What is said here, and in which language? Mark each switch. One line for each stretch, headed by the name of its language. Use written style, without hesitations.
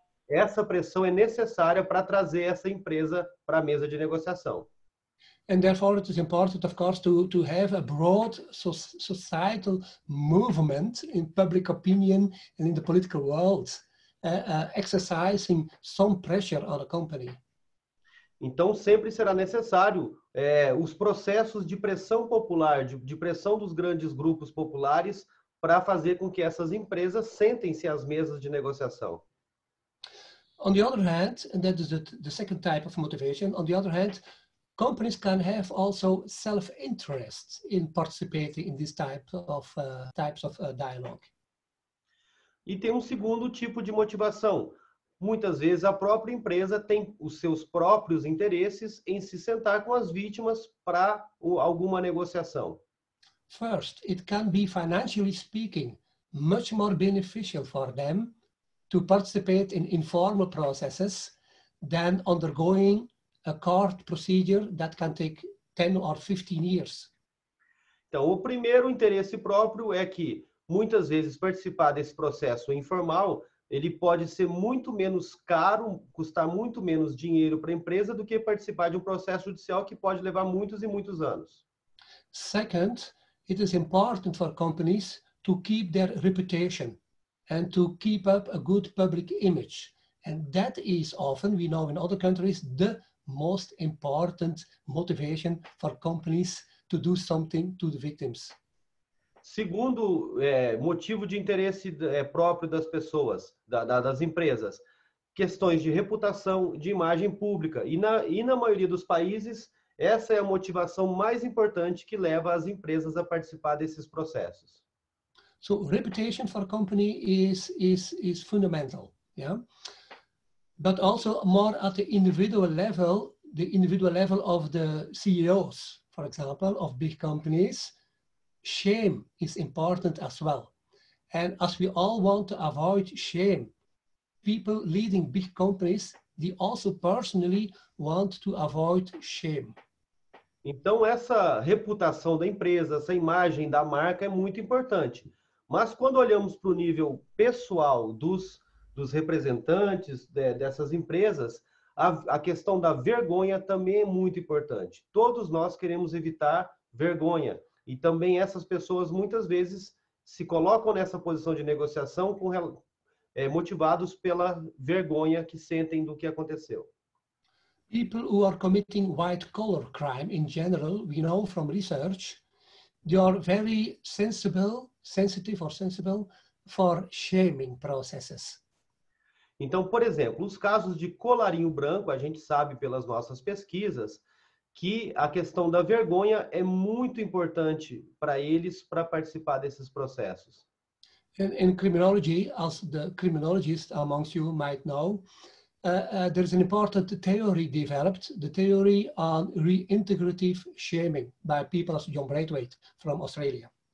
Portuguese: Essa pressão é necessária para trazer essa empresa para a mesa de negociação.
English: And therefore it is important, of course, to have a broad societal movement in public opinion and in the political world exercising some pressure on a company.
Portuguese: Então sempre será necessário os processos de pressão popular, de pressão dos grandes grupos populares para fazer com que essas empresas sentem-se às mesas de negociação.
English: On the other hand, and that is the second type of motivation, on the other hand, companies can have also self-interest in participating in these types of dialogue.
Portuguese: E tem um segundo tipo de motivação. Muitas vezes a própria empresa tem os seus próprios interesses em se sentar com as vítimas para alguma negociação.
English: First, it can be financially speaking much more beneficial for them to participate in informal processes than undergoing a court procedure that can take 10 or 15 years.
Portuguese: Então, o primeiro interesse próprio é que, muitas vezes, participar desse processo informal, ele pode ser muito menos caro, custar muito menos dinheiro para a empresa do que participar de um processo judicial que pode levar muitos e muitos anos.
English: Second, it is important for companies to keep their reputation and to keep up a good public image. And that is often, we know in other countries, the most important motivation for companies to do something to the victims.
Portuguese: Segundo motivo de interesse próprio das pessoas, das empresas, questões de reputação, de imagem pública. E na maioria dos países, essa é a motivação mais importante que leva as empresas a participar desses processos.
English: So, reputation for a company is fundamental. Yeah? But also more at the individual level, of the CEOs, for example, of big companies, shame is important as well. And as we all want to avoid shame, people leading big companies, they also personally want to avoid shame.
Portuguese: Então, essa reputação da empresa, essa imagem da marca é muito importante. Mas quando olhamos para o nível pessoal dos representantes dessas empresas, a questão da vergonha também é muito importante. Todos nós queremos evitar vergonha. E também essas pessoas muitas vezes se colocam nessa posição de negociação motivados pela vergonha que sentem do que aconteceu.
English: People who are committing white collar crime in general, we know from research, they are very sensitive for shaming processes.
Portuguese: Então, por exemplo, os casos de colarinho branco, a gente sabe pelas nossas pesquisas que a questão da vergonha é muito importante para eles para participar desses processos.
English: In criminology, as the criminologists amongst you might know, there is an important theory developed, the theory on reintegrative shaming by people as John Braithwaite from Australia.